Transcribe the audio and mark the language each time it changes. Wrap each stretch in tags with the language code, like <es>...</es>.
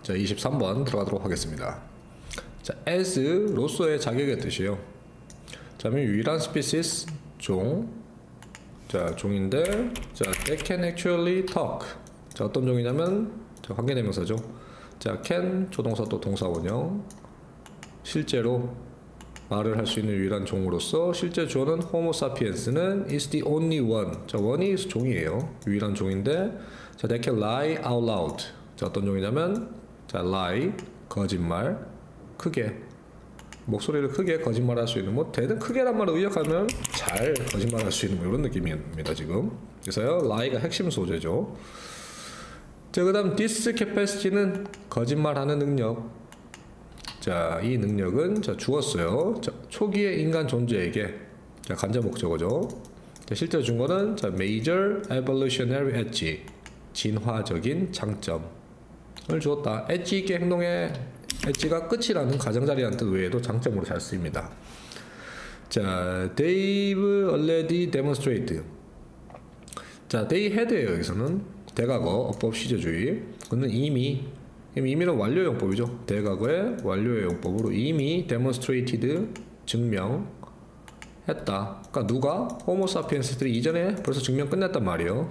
<ko>자, 23번 들어가도록 하겠습니다. 자, as, 로서의 자격의 뜻이에요. 자, 유일한 species, 종. 자, 종인데, 자,</ko> <en>they can actually talk.</en> <ko>자, 어떤 종이냐면, 자, 관계대명사죠. 자, can, 조동사 또 동사원형. 실제로 말을 할 수 있는 유일한 종으로서, 실제 주어는 homo sapiens는</ko> <en>is the only one.</en> <ko>자, one is 종이에요. 유일한 종인데, 자,</ko> <en>they can lie out loud.</en> <ko>자, 어떤 종이냐면, 자, lie, 거짓말, 크게. 목소리를 크게 거짓말 할 수 있는, 뭐, 대든 크게란 말을 의역하면 잘 거짓말 할 수 있는, 뭐, 이런 느낌입니다, 지금. 그래서요, lie가 핵심 소재죠. 자, 그 다음, this capacity는 거짓말 하는 능력. 자, 이 능력은, 자, 주었어요. 자, 초기의 인간 존재에게. 자, 간접 목적어죠. 자, 실제 준 거는, 자,</ko> <en>major evolutionary edge.</en> <ko>진화적인 장점을 주었다. 엣지 있게 행동해. 엣지가 끝이라는 가장자리라는 뜻 외에도 장점으로 잘 쓰입니다.</ko> <en>자, they've already demonstrated.</en> <ko>자, they had에요. 여기서는 대과거 어법 시제주의. 그는 이미는 완료형법이죠. 대과거의 완료형법으로 이미</ko> <en>demonstrated,</en> <ko>증명했다. 그러니까 누가? 호모사피엔스들이 이전에 벌써 증명 끝냈단 말이에요.</ko>